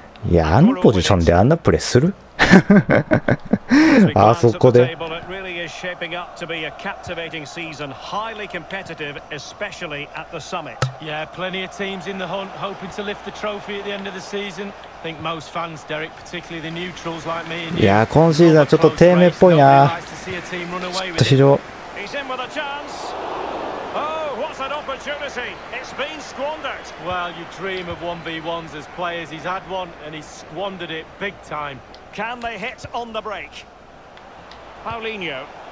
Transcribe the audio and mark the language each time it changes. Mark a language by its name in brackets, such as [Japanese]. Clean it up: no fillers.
[Japanese] いや、あのポジションであんなプレーする？あそこで。 [English] Shaping up to be a captivating season, highly competitive, especially at the summit. Yeah, plenty of teams in the hunt, hoping to lift the trophy at the end of the season. I think most fans, Derek, particularly the neutrals like me. [Japanese] Yeah, 今シーズンはちょっと低迷っぽいな。ちょっと非常。 [English] He's in with a chance. Oh, what's an opportunity! It's been squandered. Well, you dream of 1v1s as players. He's had one and he squandered it big time. Can they hit on the break? Paulinho.